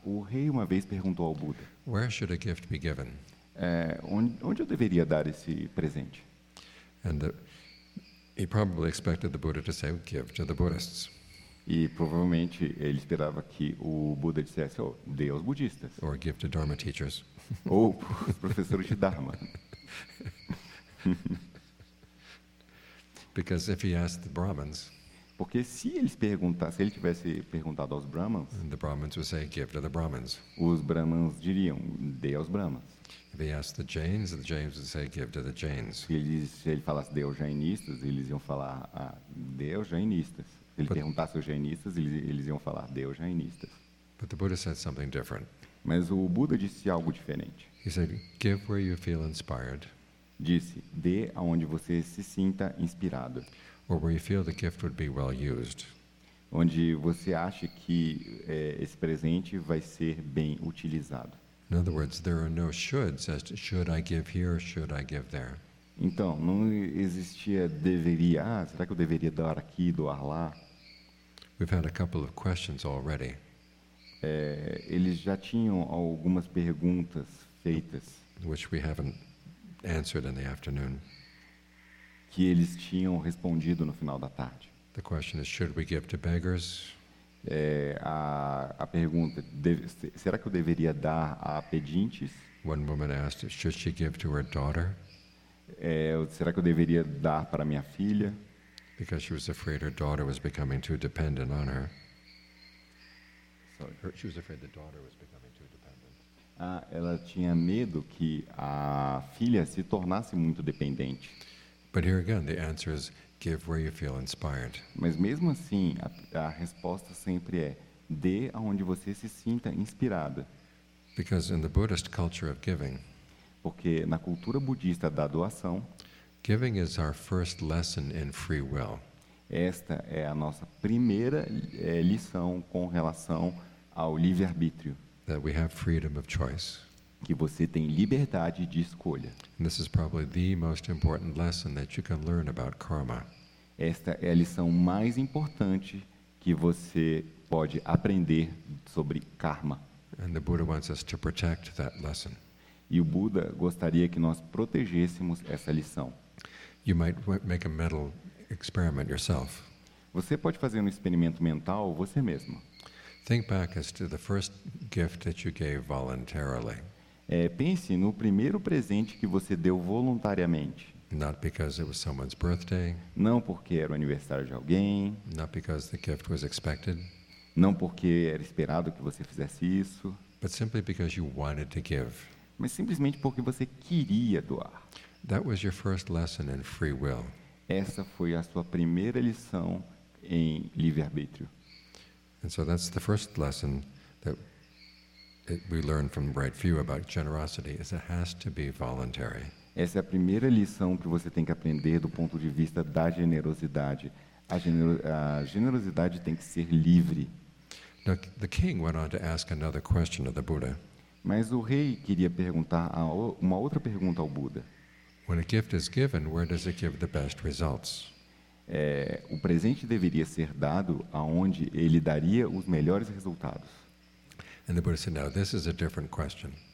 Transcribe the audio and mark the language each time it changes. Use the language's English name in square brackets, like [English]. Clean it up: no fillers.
[Portuguese] O rei uma vez perguntou ao Buda. [English] Where should a gift be given? [Portuguese] Onde eu deveria dar esse presente? [English] And he probably expected the Buddha to say, "Give to the Buddhists." [Portuguese] E provavelmente ele esperava que o Buda dissesse, "Oh, dê aos budistas." [English] Or give to Dharma teachers. [Portuguese] Ou professores de Dharma. [English] Because if he asked the Brahmins, [Portuguese] porque se eles perguntassem, se ele tivesse perguntado aos Brahmins, [English] the Brahmins would say, "Give to the Brahmins." [Portuguese] Os Brahmins diriam, "Dê aos Brahmins." [English] If he asked the Jains would say, "Give to the Jains." [Portuguese] Se ele falasse, "Dê aos Jainistas," eles iam falar, "Dê aos Jainistas." Se ele perguntasse aos Jainistas, eles iam falar, "Dê aos Jainistas." [English] But the Buddha said something different. [Portuguese] Mas o Buda disse algo diferente. [English] He said, "Give where you feel inspired." [Portuguese] Disse, dê aonde você se sinta inspirado. [English] Or where you feel the gift would be well used. [Portuguese] Onde você acha que esse presente vai ser bem utilizado. [English] In other words, there are no shoulds as to should I give here or should I give there. [Portuguese] Então, não existia deveria, será que eu deveria dar aqui, doar lá? [English] We've had a couple of questions already. [Portuguese] Eles já tinham algumas perguntas feitas. [English] Which we haven't answered in the afternoon. [Portuguese] Que eles tinham respondido no final da tarde. [English] The question is, should we give to beggars? [Portuguese] A pergunta, será que eu deveria dar a pedintes? [English] One woman asked, should she give to her daughter? [Portuguese] Será que eu deveria dar para minha filha? [English] Because she was afraid her daughter was becoming too dependent on her. Sorry. She was afraid the daughter was becoming too dependent. [Portuguese] Ela tinha medo que a filha se tornasse muito dependente. [English] But here again, the answer is, give where you feel inspired. [Portuguese] Mas mesmo assim, a resposta sempre é, dê aonde você se sinta inspirada. [English] Because in the Buddhist culture of giving, [Portuguese] porque na cultura budista da doação, [English] giving is our first lesson in free will. [Portuguese] Esta é a nossa primeira lição com relação ao livre-arbítrio. [English] That we have freedom of choice. [Portuguese] Que você tem liberdade de escolha. [English] And this is probably the most important lesson that you can learn about karma. [Portuguese] Esta é a lição mais importante que você pode aprender sobre karma. [English] And the Buddha wants us to protect that lesson. [Portuguese] E o Buda gostaria que nós protegêssemos essa lição. [English] You might make a mental experiment yourself. [Portuguese] Você pode fazer um experimento mental você mesmo. [English] Think back as to the first gift that you gave voluntarily. [Portuguese] Pense no primeiro presente que você deu voluntariamente. [English] Not because it was someone's birthday. [Portuguese] Não porque era o aniversário de alguém. [English] Not because the gift was expected. [Portuguese] Não porque era esperado que você fizesse isso. [English] But simply because you wanted to give. [Portuguese] Mas simplesmente porque você queria doar. [English] That was your first lesson in free will. [Portuguese] Essa foi a sua primeira lição em livre-arbítrio. [English] And so that's the first lesson that we learn from right view about generosity is it has to be voluntary. [Portuguese] Essa é a primeira lição que você tem que aprender do ponto de vista da generosidade. A generosidade tem que ser livre. [English] Now, the king went on to ask another question of the Buddha. [Portuguese] Mas o rei queria perguntar uma outra pergunta ao Buda. [English] When a gift is given, where does it give the best results? [Portuguese] O presente deveria ser dado aonde ele daria os melhores resultados. [English] And the Buddha said, "No, this is a different question."